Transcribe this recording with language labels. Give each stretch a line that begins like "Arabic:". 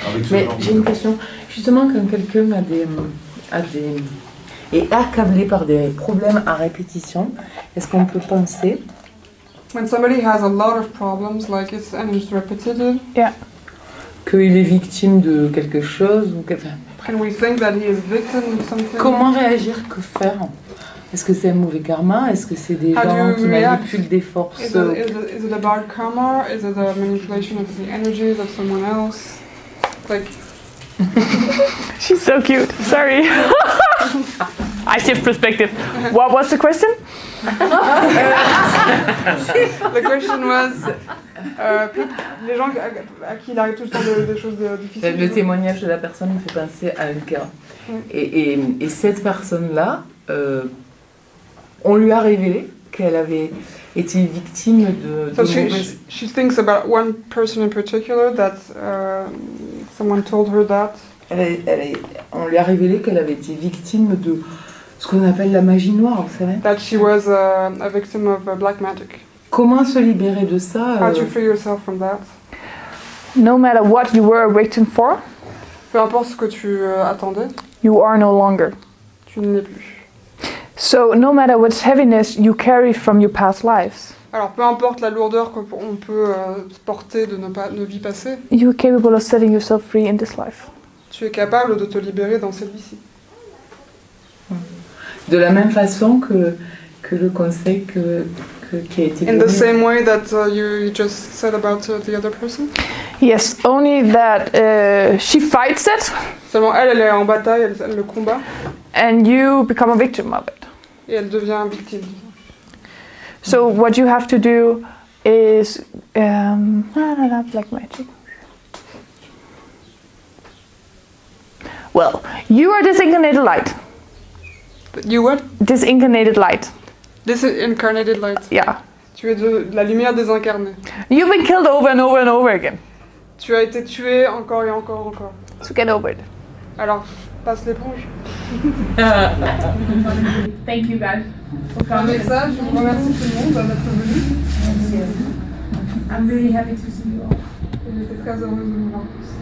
French: Mais j'ai une question. Justement, quand quelqu'un a des et accablé par des problèmes à répétition, est-ce qu'on peut penser?
English: When somebody has a lot of problems, like it's and it's repetitive. Yeah.
French: Qu'il est victime de quelque chose ou qu'enfin.
English: Can we think that he is victim of something?
French: Comment réagir? Que faire? Est-ce que c'est un mauvais karma? Est-ce que c'est des
English: How
French: gens qui manipulent des forces?
English: Is it a bad karma? Is it a manipulation of the energies of someone else? Like. She's so cute. Sorry. I shift perspective. What was the question? The question was.
French: Les gens à qui il arrive tout le temps des choses difficiles. Le témoignage de la personne me fait penser à un cas. Et cette personne-là. On lui a révélé qu'elle avait été victime de.
English: She thinks about one person in particular that someone told her that.
French: On lui a révélé qu'elle avait été victime de ce qu'on appelle la magie noire, vous savez.
English: That she was a victim of black magic.
French: Comment se libérer de ça?
English: How to free yourself from that? No matter what you were a victim for.
French: Peu importe ce que tu attendais.
English: You are no longer.
French: Tu ne l'es plus.
English: So no matter what heaviness you carry from your past lives.
French: Alors peu importe la lourdeur qu'on peut porter de nos vies passées.
English: You are capable of setting yourself free in this life.
French: Tu es capable de te libérer dans cette vie-ci. De la même façon que le conseil que qui a été donné.
English: In the same way that you just said about the other person? Yes, only that she fights it.
French: Seulement elle est en bataille, elle le combat.
English: And you become a victim of it.
French: Et elle devient victime.
English: So what you have to do is black magic. Well, you are disincarnated light. You what? Disincarnated light. Disincarnated light. Yeah.
French: Tu es de la lumière désincarnée.
English: You've been killed over and over and over again.
French: Tu as été tué encore et encore et encore.
English: So get over it.
French: Alors. Passe l'éponge.
English: Thank you guys for coming.
French: Avec ça, je vous remercie tout le monde d'être venu. Merci à vous.
English: I'm really happy to see you all.
French: Et j'étais très heureuse de vous voir tous.